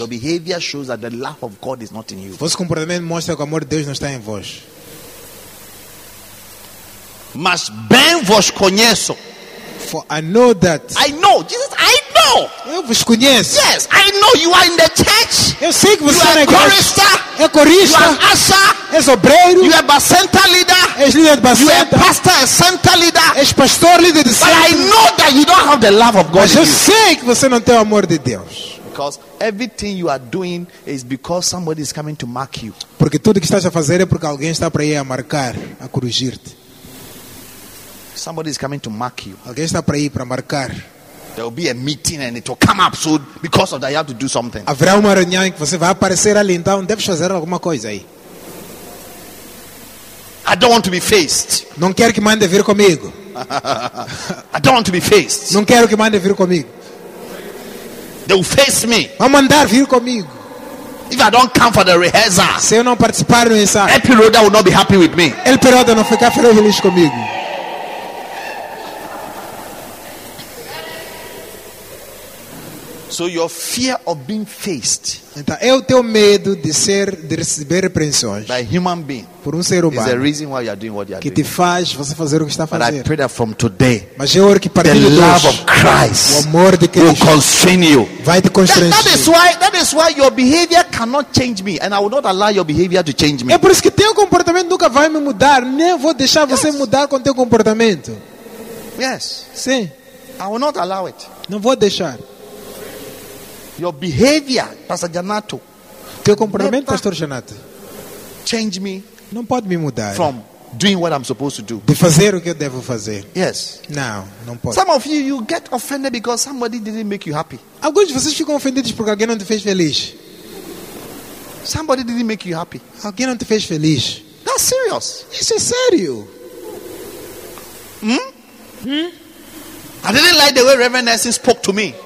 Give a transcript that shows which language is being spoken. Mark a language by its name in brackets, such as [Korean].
[English] Your behavior shows that the love of God is not in you. [Portuguese] Vosso comportamento mostra que o amor de Deus não está em vós. Mas bem vos conheço. [English] For I know that. I know, Jesus. I know. [Portuguese] Eu vos conheço. [English] Yes, I know you are in the church. [Portuguese] Eu sei que você é corista. É corista. [English] You are usher. [Portuguese] És obreiro. [English] You are a center leader. [Portuguese] És líder de bacenta. [English] You are a pastor, a center leader. [Portuguese] És pastor, líder de centro. [English] But I know that you don't have the love of God. [Portuguese] Mas eu sei que você não tem o amor de Deus. [English] Because everything you are doing is because somebody is coming to mark you. [Portuguese] Porque tudo que estás a fazer é porque alguém está para ir a marcar, a corrigir-te. [English] Somebody is coming to mark you. [Portuguese] Alguém está para ir para marcar. [English] There will be a meeting and it will come up soon because of that you have to do something. [Portuguese] Haverá uma reunião em que você vai aparecer ali, então deves fazer alguma coisa aí. [English] I don't want to be faced. [Portuguese] Não quero que mande vir comigo. [English] I don't want to be faced. [Portuguese] Não quero que mande vir comigo. [English] They will face me. [Portuguese] Vão mandar vir comigo. [English] If I don't come for the rehearsal, [Portuguese] se eu não participar no ensaio, [English] El Piroda will not be happy with me. [Portuguese] El Piroda não fica feliz comigo. [English] So your fear of being faced, [Portuguese] então, é o teu medo de ser, de receber repreensões [English] by human being, [Portuguese] por um ser humano, [English] is the reason why you are doing what you are [Portuguese] que [English] doing. [Portuguese] Te faz você fazer o que está fazendo. [English] But I pray that from today, [Portuguese] mas eu oro que partir [English] the [Portuguese] de [English] love [Portuguese] hoje, [English] of Christ, [Portuguese] o amor de Cristo, [English] will constrain you. [Portuguese] Vai te constranger. [English] That is why your behavior cannot change me, and I will not allow your behavior to change me. [Portuguese] É por isso que teu comportamento nunca vai me mudar, nem vou deixar você [English] yes. [Portuguese] mudar com teu comportamento. [English] Yes. [Portuguese] Sim. [English] I will not allow it. [Portuguese] Não vou deixar. [English] Your behavior, Pastor Janato. [Portuguese] Teu comportamento, Pastor Janato. [English] Change me. [Portuguese] Não pode me mudar. [English] From doing what I'm supposed to do. [Portuguese] De fazer o que eu devo fazer. [English] Yes. [Portuguese] Não, não pode. [English] Some of you get offended because somebody didn't make you happy. [Portuguese] Alguns de vocês ficam ofendidos porque alguém não te fez feliz. [English] Somebody didn't make you happy. [Portuguese] Alguém não te fez feliz. [English] That's serious. [Portuguese] Isso é sério. [English] I didn't like the way Reverend Nelson spoke to me.